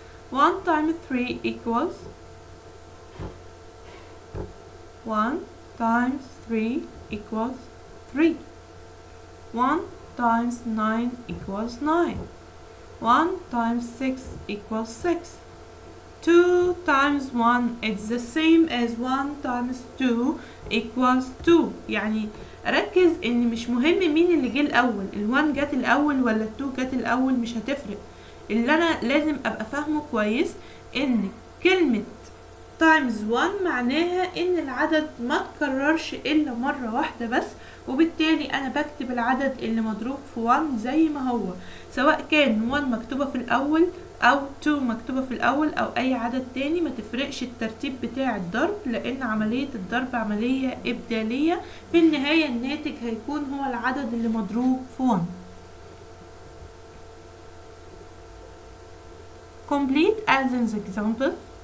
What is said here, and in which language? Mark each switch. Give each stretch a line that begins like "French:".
English: 1 times 3 equals 1 times 3 equals 3. 1 times 9 equals 9. 1 times 6 equals 6. 2 times 1 is the same as 1 times 2 equals 2.
Arabic: يعني ركز ان مش مهم مين اللي جه الاول، ال1 جت الاول ولا ال2 جت الاول، مش هتفرق. اللي انا لازم ابقى فاهمه كويس ان كلمة times 1 معناها ان العدد ما تكررش الا مرة واحدة بس، وبالتالي انا بكتب العدد اللي مضروب في 1 زي ما هو، سواء كان 1 مكتوبة في الاول او 2 مكتوبة في الاول او اي عدد تاني، ما تفرقش الترتيب بتاع الضرب، لان عملية الضرب عملية ابدالية، في النهاية الناتج هيكون هو العدد اللي مضروب في 1.
English: Complete as in the example.